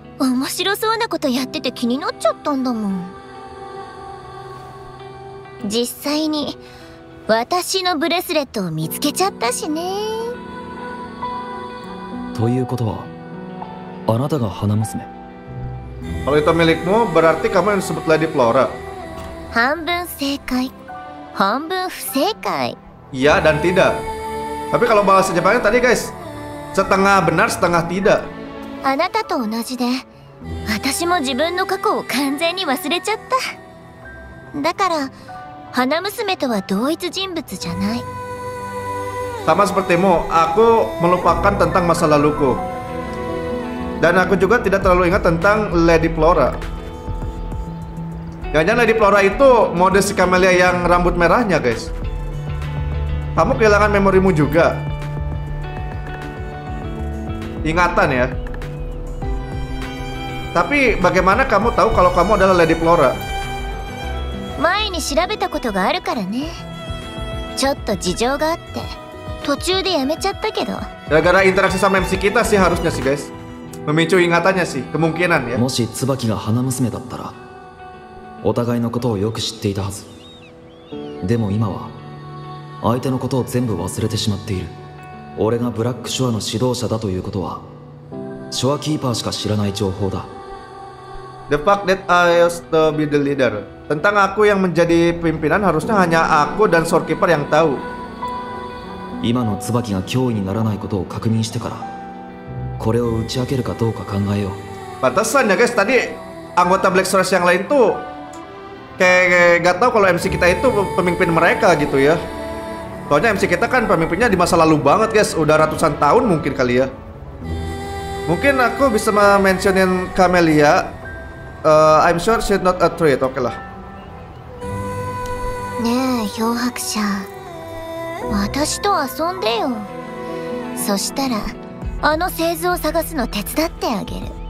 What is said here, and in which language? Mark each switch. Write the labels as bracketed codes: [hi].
[ja] 面白そうなことやってて気になっちゃったんだもん。実際に私のブレスレットを見つけちゃったしね。ということはあなたが花娘。 [id] Kalau itu milikmu, berarti kamu yang disebut Lady Flora. 半分正解、半分不正解。 Iya dan tidak. Tapi kalau bahasa Jepangnya tadi, guys, setengah benar, setengah tidak. [ja] あなたと同じで、私も自分の過去を完全に忘れちゃった。だから、花娘とは同一人物じゃない。 [id] Sama sepertimu, aku melupakan tentang masa laluku. Dan aku juga tidak terlalu ingat tentang Lady Flora. Jangan-jangan Lady Flora itu mode si Camellia yang rambut merahnya, guys. Kamu kehilangan memorimu juga. Ingatan ya. Tapi bagaimana kamu tahu kalau kamu adalah Lady Flora? [ja] 前に調べたことがあるからね。ちょっと事情があって、途中でやめちゃったけど。 [id] Gara-gara interaksi sama MC kita sih harusnya sih, guys. Memicu ingatannya sih, kemungkinan ya. [ja] もし椿が花娘だったら、お互いのことをよく知っていたはず。でも今は、相手のことを全部忘れてしまっている。俺がブラックショアの指導者だということは、ショアキーパーしか知らない情報だ。 [en] The fact that I used to be the leader. [id] Tentang aku yang menjadi pimpinan harusnya hanya aku dan shorekeeper yang tahu. [ja] 今の椿が脅威にならないことを確認してから、これを打ち明けるかどうか考えよう。 [id] Batasannya guys, tadi anggota Black Stars yang lain tuh kayak gak tahu kalau MC kita itu pemimpin mereka gitu ya. Soalnya MC kita kan pemimpinnya di masa lalu banget guys, udah ratusan tahun mungkin kali ya. Mungkin aku bisa mentionin Camellia. [en] I'm sure she's not a threat, oke lah. [ja] ねえ、漂白者、私と遊んでよ。そしたら。あの製図を探すの手伝ってあげる。